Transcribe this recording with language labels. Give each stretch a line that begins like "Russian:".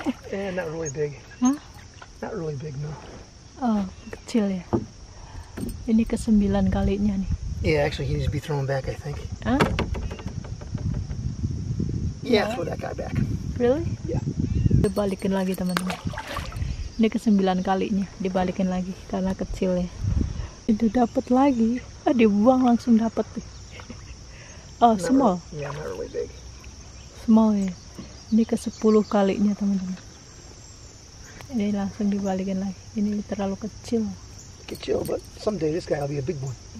English: Yeah, not really big. Huh? Not really big, no.
Indonesian: Oh, kecil ya. Ini ke-9 kalinya nih.
English: Yeah, actually he needs to be thrown back, I think. Huh? Yeah, throw that guy back. Really? Yeah.
Indonesian: Kita balikin lagi teman-teman. Ini ke-9 kalinya dibalikin lagi karena kecil ya. Itu dapat lagi. Ah, dibuang langsung dapat. Oh,
English: not small. Really, yeah, not really big. Small ya.
Indonesian: Ini ke-10 kalinya, teman-teman. Ini langsung dibalikin lagi. Ini terlalu kecil.
English: Kecil, but someday this guy will be a big one.